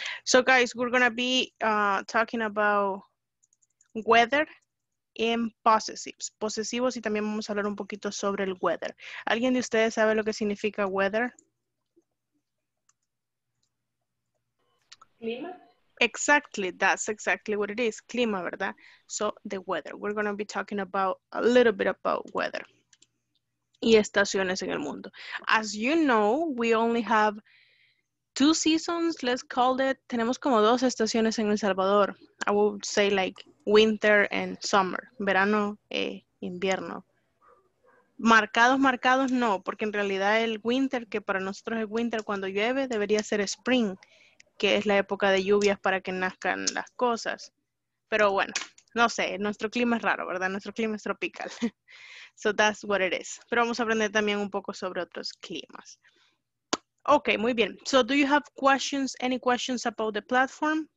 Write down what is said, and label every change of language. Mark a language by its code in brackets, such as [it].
[en] So guys, we're going to be talking about weather and possessives. [es] Posesivos y también vamos a hablar un poquito sobre el weather. ¿Alguien de ustedes sabe lo que significa weather? Clima. [en] Exactly, that's exactly what it is. [es] Clima, ¿verdad? [en] So, the weather. We're going to be talking about a little bit about weather. [es] Y estaciones en el mundo. [en] As you know, we only have two seasons, let's call it. [es] Tenemos como dos estaciones en El Salvador. [en] I would say like winter and summer. [es] Verano e invierno. Marcados no, porque en realidad el winter, que para nosotros es winter cuando llueve, debería ser spring, que es la época de lluvias para que nazcan las cosas. Pero bueno, no sé, nuestro clima es raro, ¿verdad? Nuestro clima es tropical. [en] So that's what it is. [es] Pero vamos a aprender también un poco sobre otros climas. [en] Okay, [es] muy bien. [en] So do you have questions, any questions about the platform?